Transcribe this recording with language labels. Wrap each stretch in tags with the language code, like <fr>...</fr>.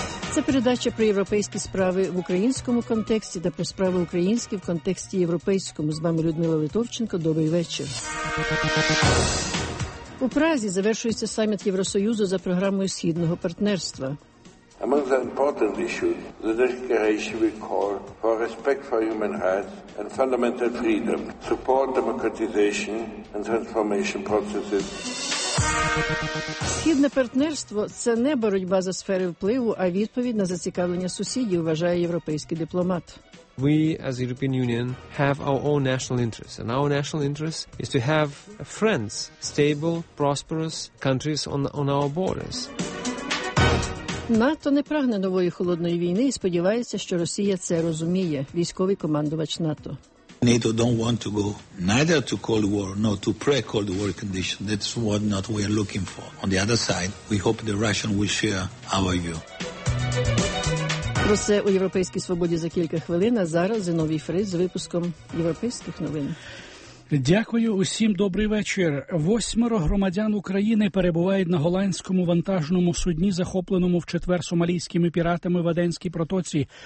<uk>Це передача про європейські справи в українському контексті та про справи українські в контексті європейському. З вами Людмила Литовченко. Добрий вечір. У Празі завершується саміт Євросоюзу за програмою Східного партнерства.</uk> <en>Among the important issues, the declaration will call for respect for human rights and fundamental freedom, support democratization and transformation processes.</en> <uk>Східне партнерство – це не боротьба за сфери впливу, а відповідь на зацікавлення сусідів, вважає європейський дипломат.</uk> <en>We as European Union have our own national interests, and our national interest is to have friends, stable, prosperous countries on our borders.</en> <uk>НАТО не прагне нової холодної війни і сподівається, що Росія це розуміє, військовий командувач НАТО.</uk> <en>NATO don't want to go neither to Cold War nor to pre-Cold War condition. That's what not we are looking for. On the other side, we hope the Russian will share our view.</en> <uk>Про це у Європейській свободі за кілька хвилин, а зараз Зіновій Фріз з випуском європейських новин. Дякую усім, добрий вечір. Восьмеро громадян України перебувають на голландському вантажному судні, захопленому в четвер сомалійськими піратами в Аденській протоці.</uk>